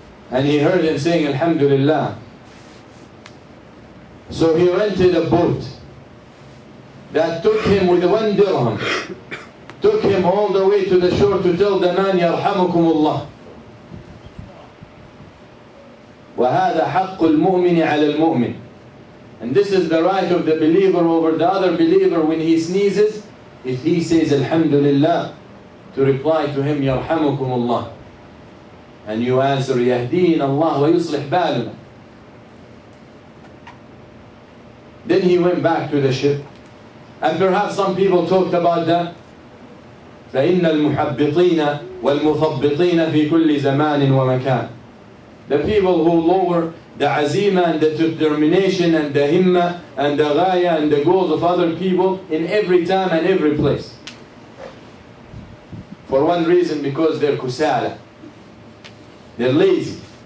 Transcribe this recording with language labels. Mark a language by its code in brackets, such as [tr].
[en] And he heard him saying, Alhamdulillah. So he rented a boat that took him with 1 dirham. Took him all the way to the shore to tell the man, [ar] يرحمكم الله. وهذا حق المؤمن على المؤمن. [en] And this is the right of the believer over the other believer when he sneezes, if he says, Alhamdulillah, to reply to him, [ar] يرحمكم الله. [en] And you answer, [ar] يهدين الله ويصلح بالنا. [en] Then he went back to the ship. And perhaps some people talked about that. [ar] فإن المحبطين والمثبطين في كل زمان ومكان. [en] The people who lower the azima and the determination and the himma and the ghaya and the goals of other people in every time and every place. For one reason, because they're kusala. They're lazy.